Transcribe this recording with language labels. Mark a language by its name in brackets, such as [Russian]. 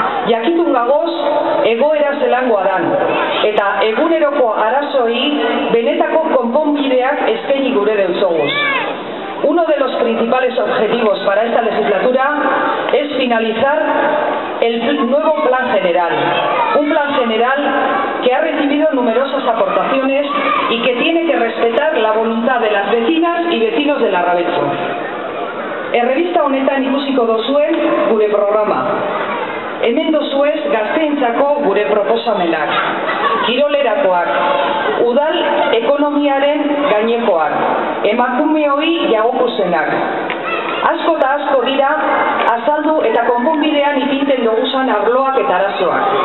[Basque] Jakitun gagoz, egoera zelangoa dan, eta eguneroko arazoi benetako konponbideak eskaini gure deutzoguz. [Spanish] Uno de los principales objetivos para esta legislatura es finalizar el nuevo plan general. Un plan general que ha recibido numerosas aportaciones y que tiene que respetar la voluntad de las vecinas y vecinos de Larrabetzu. [Basque] En revista honetan ikusiko dozue gure programa. Hemen dozue gazteentzako gure proposamenak. Kirolerakoak, udal ekonomiaren gainekoak, emakumeoi jagokuzenak. Asko eta asko dira, azaldu eta konponbidean ipinten dugusan arloak eta arazoak.